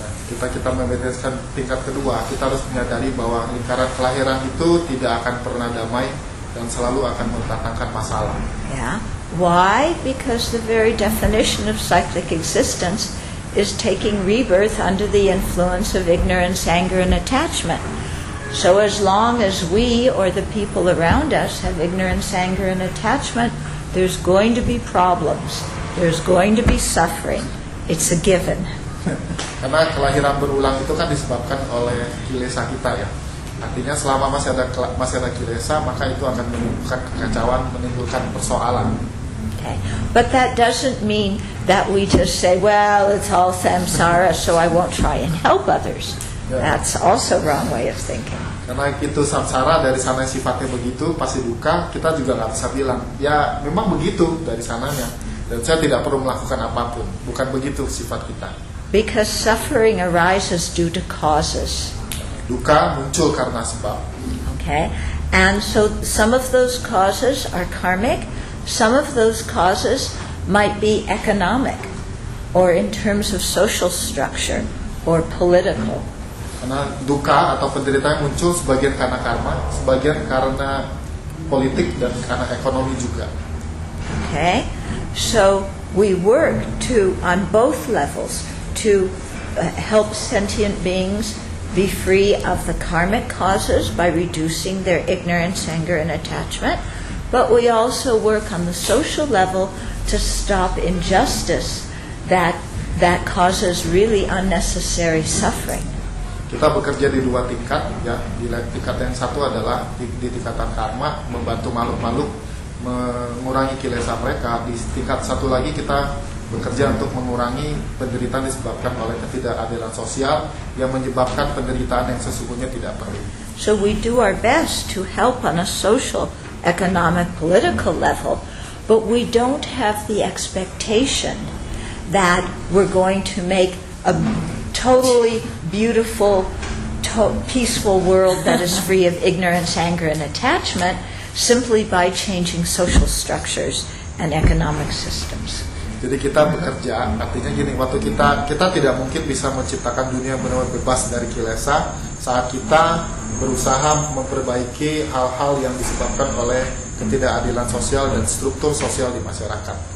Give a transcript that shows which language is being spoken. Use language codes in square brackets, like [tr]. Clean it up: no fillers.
[id] Kita memedikasikan tingkat kedua, kita harus menyadari bahwa lingkaran kelahiran itu tidak akan pernah damai dan selalu akan mendatangkan masalah. [en] Yeah. Why? Because the very definition of cyclic existence is taking rebirth under the influence of ignorance, anger, and attachment. So as long as we or the people around us have ignorance, anger, and attachment, there's going to be problems. There's going to be suffering. It's a given. [id] Karena kelahiran berulang itu kan disebabkan oleh kilesa kita ya. Artinya selama masih ada kilesa, maka itu akan menimbulkan kekacauan, menimbulkan persoalan. [en] Okay, but that doesn't mean that we just say, well, it's all samsara, so I won't try and help others. That's also a wrong way of thinking. [id] Karena itu samsara, dari sana sifatnya begitu, pasti duka, kita juga gak bisa bilang. Ya, memang begitu dari sananya. Dan saya tidak perlu melakukan apapun. Bukan begitu sifat kita. [en] Because suffering arises due to causes. [id] Duka muncul karena sebab. [en] Okay. And so some of those causes are karmic. Some of those causes might be economic, or in terms of social structure, or political. [id] Karena duka atau penderitaan muncul sebagian karena karma, sebagian karena politik dan karena ekonomi juga. [en] Okay, so we work to on both levels to help sentient beings be free of the karmic causes by reducing their ignorance, anger, and attachment. But we also work on the social level to stop injustice that causes really unnecessary suffering. [id] Kita bekerja di dua tingkat, ya. Di tingkat yang satu adalah di tingkatan karma, membantu makhluk-makhluk mengurangi kilesa mereka. Di tingkat satu lagi kita bekerja untuk mengurangi penderitaan disebabkan oleh ketidakadilan sosial yang menyebabkan penderitaan yang sesungguhnya tidak perlu. [en] So we do our best to help on a social, economic, political level, but we don't have the expectation that we're going to make a totally beautiful, peaceful world that is free of ignorance, anger, and attachment simply by changing social structures and economic systems. [id] Jadi kita bekerja, artinya gini, waktu kita tidak mungkin bisa menciptakan dunia benar-benar bebas dari kilesa saat kita berusaha memperbaiki hal-hal yang disebabkan oleh ketidakadilan sosial dan struktur sosial di masyarakat.